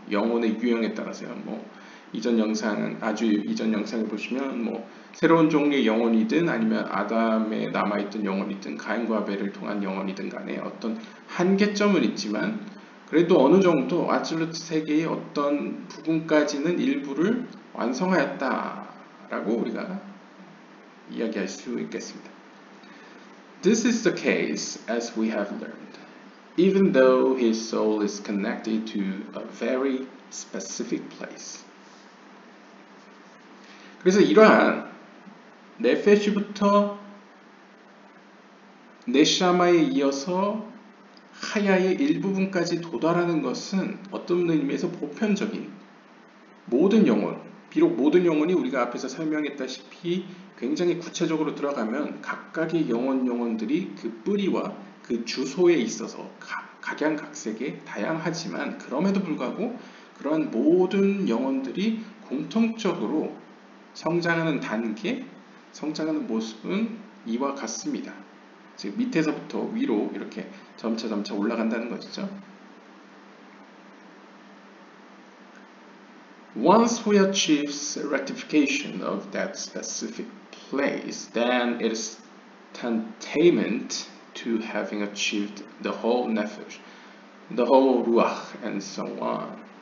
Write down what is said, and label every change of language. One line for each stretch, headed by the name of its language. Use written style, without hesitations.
Korean: 영혼의 유형에 따라서요. 뭐 이전 영상을 보시면 뭐 새로운 종류의 영혼이든 아니면 아담에 남아있던 영혼이든 가인과 아벨을 통한 영혼이든 간에 어떤 한계점은 있지만 그래도 어느 정도 아틀루트 세계의 어떤 부분까지는 일부를 완성하였다라고 우리가 이야기할 수 있겠습니다.
English: This is the case as we have learned. Even though his soul is connected to a very specific place.
Korean: 그래서 이러한 네페시부터 네샤마에 이어서 하야의 일부분까지 도달하는 것은 어떤 의미에서 보편적인 모든 영혼 비록 모든 영혼이 우리가 앞에서 설명했다시피 굉장히 구체적으로 들어가면 각각의 영혼 영혼들이 그 뿌리와 그 주소에 있어서 각양각색에 다양하지만 그럼에도 불구하고 그러한 모든 영혼들이 공통적으로 성장하는 단계, 성장하는 모습은 이와 같습니다. 즉 밑에서부터 위로 이렇게 점차 올라간다는 것이죠.
English: Once we achieve rectification of that specific place, then it is tantamount to having achieved the whole nefesh, the whole ruach, and so on.